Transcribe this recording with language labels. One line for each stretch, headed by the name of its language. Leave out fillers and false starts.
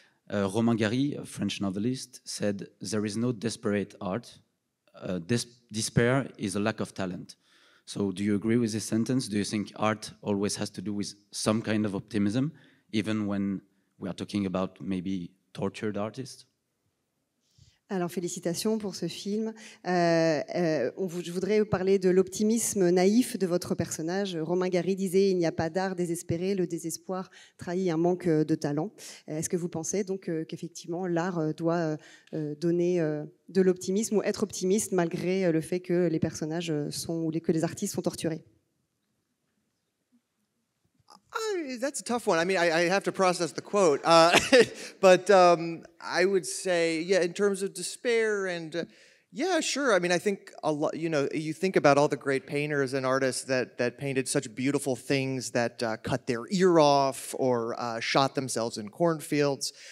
English: Romain Gary, a French novelist, said, "There is no desperate art. Despair is a lack of talent." So do you agree with this sentence? Do you think art always has to do with some kind of optimism, even when we are talking about maybe tortured artists?
French: Alors, félicitations pour ce film. Je voudrais parler de l'optimisme naïf de votre personnage. Romain Gary disait « Il n'y a pas d'art désespéré, le désespoir trahit un manque de talent ». Est-ce que vous pensez donc qu'effectivement l'art doit donner de l'optimisme ou être optimiste malgré le fait que les personnages sont ou que les artistes sont torturés?
English: That's a tough one. I mean, I have to process the quote. I would say, yeah, in terms of despair and, yeah, sure. I mean, I think, a lot. You know, you think about all the great painters and artists that painted such beautiful things that cut their ear off or shot themselves in cornfields.